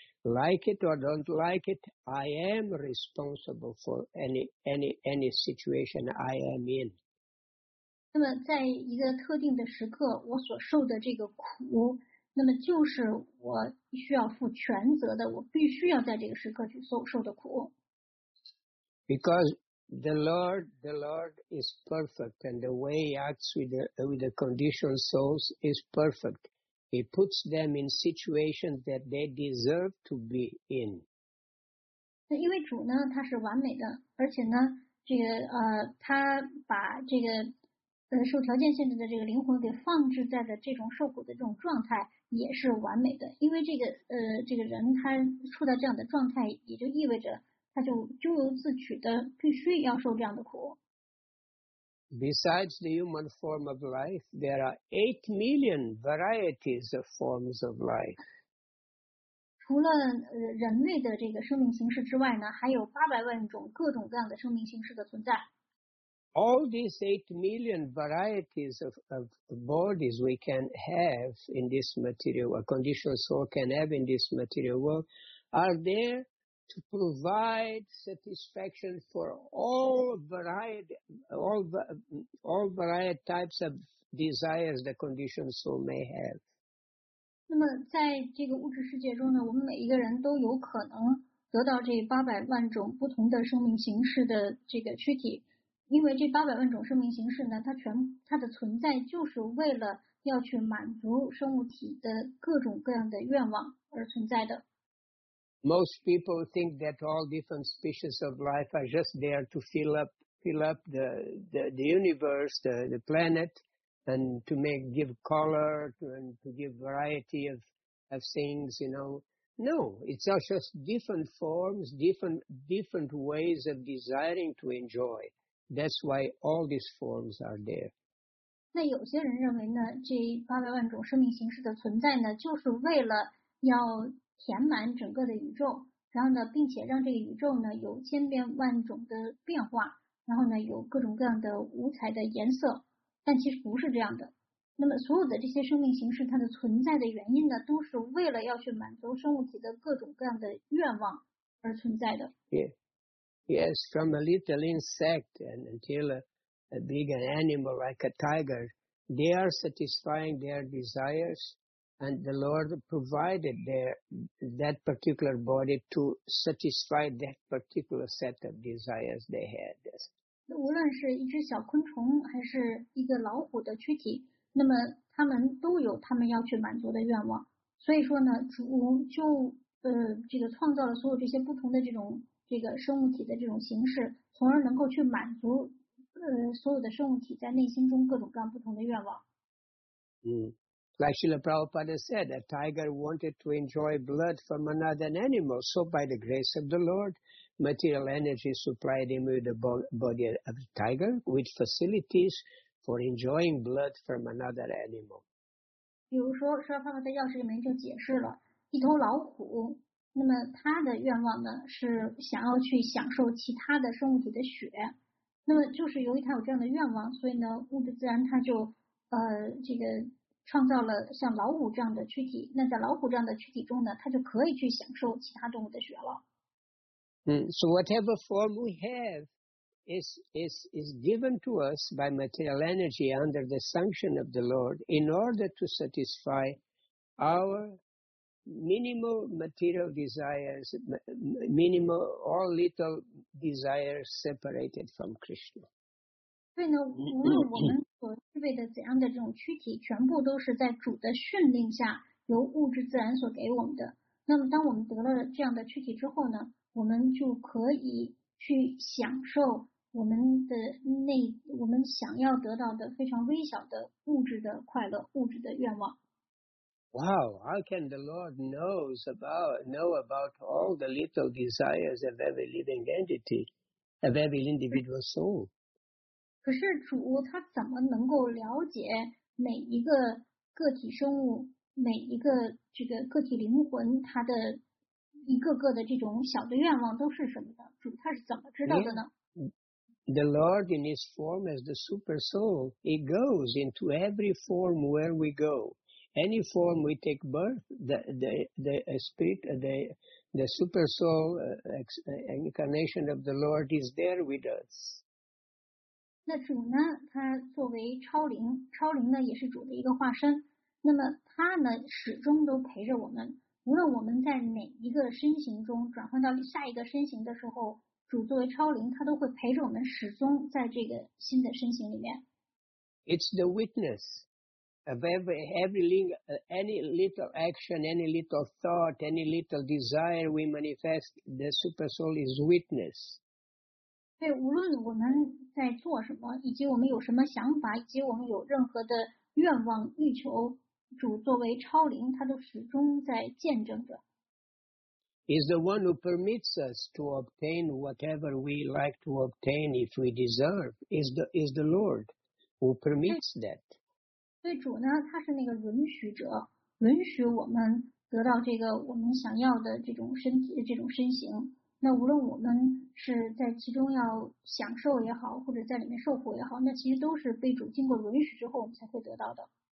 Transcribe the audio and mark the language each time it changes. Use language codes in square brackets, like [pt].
[en] Like it or don't like it, I am responsible for any situation I am in. [zh] 那么在一个特定的时刻我所受的这个苦，那么就是我需要负全责的，我必须要在这个时刻去受的苦。 [en] Because the Lord is perfect and the way he acts with the conditioned souls is perfect. He puts them in situations that they deserve to be in. [zh] 那因为主呢，他是完美的，而且呢，这个他把这个受条件限制的这个灵魂给放置在了这种受苦的这种状态，也是完美的。因为这个这个人他处在这样的状态，也就意味着他就咎由自取的必须要受这样的苦。 [en] Besides the human form of life, there are 8 million varieties of forms of life. [zh] 除了人类的这个生命形式之外呢，还有800万种各种各样的生命形式的存在。 [en] All these 8 million varieties of bodies we can have in this material, a conditioned soul can have in this material world, are there to provide satisfaction for all variety types of desires the conditioned soul may have. [zh] 那么在这个物质世界中呢，我们每一个人都有可能得到这800万种不同的生命形式的这个躯体。因为这800万种生命形式呢，它的存在就是为了要去满足生物体的各种各样的愿望而存在的。 [en] Most people think that all different species of life are just there to fill up the universe, the planet, and to give color and to give variety of things, you know. No, it's just different forms, different ways of desiring to enjoy. That's why all these forms are there. [zh] 那有些人认为呢，这800万种生命形式的存在呢，就是为了要填满整个的宇宙，然后呢，并且让这个宇宙呢有千变万种的变化，然后呢有各种各样的五彩的颜色。但其实不是这样的。那么所有的这些生命形式，它的存在的原因呢，都是为了要去满足生物体的各种各样的愿望而存在的。 [en] Yeah. Yes, from a little insect and until a big animal like a tiger, they are satisfying their desires, and the Lord provided that particular body to satisfy that particular set of desires they had. [zh] 无论是一只小昆虫还是一个老虎的躯体，那么他们都有他们要去满足的愿望。所以说呢，主就这个创造了所有这些不同的这种。这个生物体的这种形式，从而能够去满足所有的生物体在内心中各种各样不同的愿望。 [en] Like Srila Prabhupada said, a tiger wanted to enjoy blood from another animal, so by the grace of the Lord, material energy supplied him with the body of the tiger, with facilities for enjoying blood from another animal. [zh] 比如说，Srila Prabhupada在药师里面就解释了，一头老虎。那么他的愿望呢是想要去享受其他的生物体的血，那么就是由于他有这样的愿望，所以呢物质自然他就这个创造了像老虎这样的躯体，那在老虎这样的躯体中呢，他就可以去享受其他动物的血了。 [en] So whatever form we have is given to us by material energy under the sanction of the Lord in order to satisfy ourminimal material desires, minimal, all little desires separated from Krishna. [zh] 对呢，无论我们所具备的怎样的这种躯体，全部都是在主的训令下由物质自然所给我们的。那么当我们得了这样的躯体之后呢，我们就可以去享受我们想要得到的非常微小的物质的快乐，物质的愿望。 [en] Wow, how can the Lord know about all the little desires of every living entity, of every individual soul? [zh] 可是主他怎么能够了解每一个个体生物，每一个这个个体灵魂他的一个个的这种小的愿望都是什么的？主他是怎么知道的呢？ [en] The Lord in his form as the super soul, he goes into every form where we go. Any form we take birth, the super soul incarnation of the Lord is there with us. [zh] 那主呢，他作为超灵，超灵呢也是主的一个化身。那么他呢始终都陪着我们，无论我们在哪一个身形中转换到下一个身形的时候，主作为超灵，他都会陪着我们始终在这个新的身形里面。 [en] It's the witness. every linga, any little action, any little thought, any little desire we manifest, the super soul is witness. [zh] 对，无论我们在做什么，以及我们有什么想法，以及我们有任何的愿望、欲求，主作为超灵，他都始终在见证着。 [en] Is the one who permits us to obtain whatever we like to obtain if we deserve. Is the Lord who permits that. [zh] 对主呢，他是那个允许者，允许我们得到这个我们想要的这种身体、这种身形。那无论我们是在其中要享受也好，或者在里面受苦也好，那其实都是被主经过允许之后我们才会得到的。